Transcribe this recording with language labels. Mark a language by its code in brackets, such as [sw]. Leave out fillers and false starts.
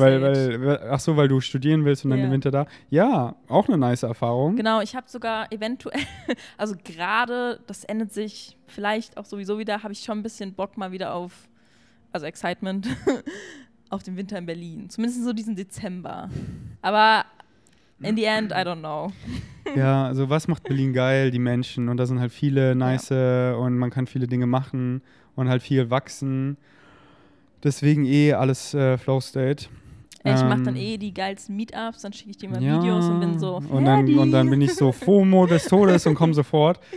[de] Weil du studieren willst und dann im Winter da. Ja, auch eine nice Erfahrung. Genau, ich habe sogar eventuell, also gerade, das endet sich vielleicht auch sowieso wieder, habe ich schon ein bisschen Bock mal wieder auf, also Excitement, auf den Winter in Berlin. Zumindest so diesen Dezember. Aber [en] in the end, I don't know. [de] Ja, also was macht Berlin geil? Die Menschen. Und da sind halt viele nice und man kann viele Dinge machen und halt viel wachsen. Deswegen alles Flow State. Ich mache dann die geilsten Meetups, dann schicke ich dir mal Videos und bin so Und dann bin ich so FOMO des Todes und komme sofort.